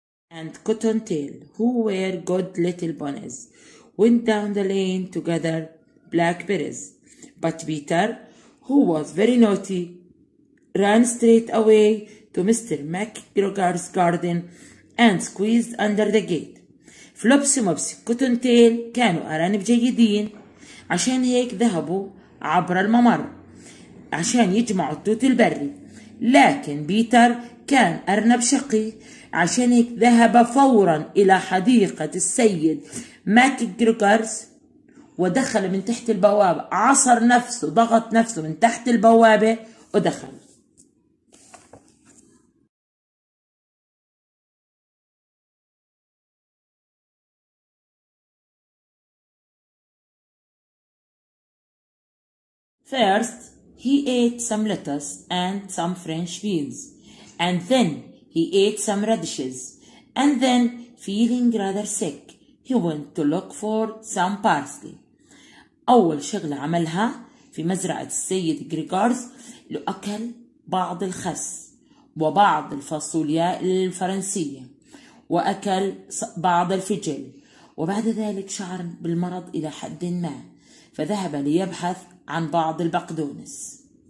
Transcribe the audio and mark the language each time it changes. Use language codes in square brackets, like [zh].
[en] And Cottontail, who were good little bunnies, went down the lane to gather blackberries. But Peter, who was very naughty, ran straight away to Mr. McGregor's garden and squeezed under the gate. [ar] Flopsy, Mopsy, Cottontail كانوا أرانب جيدين، عشان هيك ذهبوا عبر الممر عشان يجمعوا التوت البري. لكن بيتر كان أرنب شقي، عشان هيك ذهب فورا إلى حديقة السيد ماك جريجورز ودخل من تحت البوابة، عصر نفسه، ضغط نفسه من تحت البوابة ودخل. [en] First, he ate some lettuce and some French beans, and then he ate some radishes, and then, feeling rather sick, he went to look for some parsley. [ar] أول شغلة عملها في مزرعة السيد جريجورز لأكل بعض الخس وبعض الفاصوليا الفرنسية وأكل بعض الفجل، وبعد ذلك شعر بالمرض إلى حد ما، فذهب ليبحث عن بعض البقدونس.